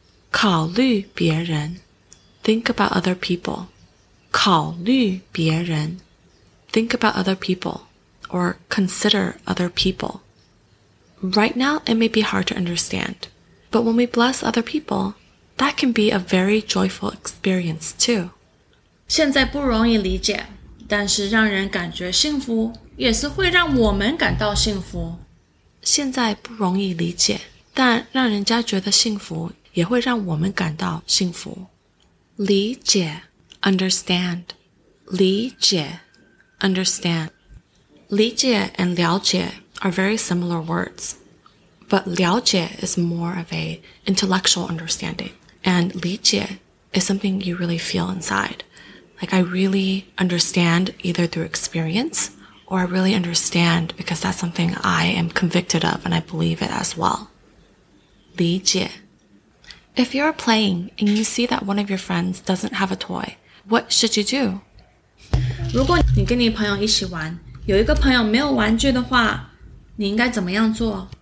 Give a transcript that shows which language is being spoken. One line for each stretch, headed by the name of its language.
Chinese: 考虑别人。
English: Think about other people.
Chinese: 考虑别人
English: Think about other people or consider other people. Right now, it may be hard to understand. But when we bless other people, that can be a very joyful experience too.
Chinese: 现在不容易理解但是让人感觉幸福也是会让我们感到幸福。现在不容易理解但让人家觉得幸福也会让我们感到幸福。
English: 理解Understand, 理解 understand. 理解 and 了解 are very similar words, but 了解 is more of an intellectual understanding, and 理解 is something you really feel inside. Like, I really understand either through experience, or I really understand because that's something I am convicted of and I believe it as well. 理解 If you're playing and you see that one of your friends doesn't have a toy,What should you do?
Chinese: 如果你跟你朋友一起玩，有一个朋友没有玩具的话，你应该怎么样做？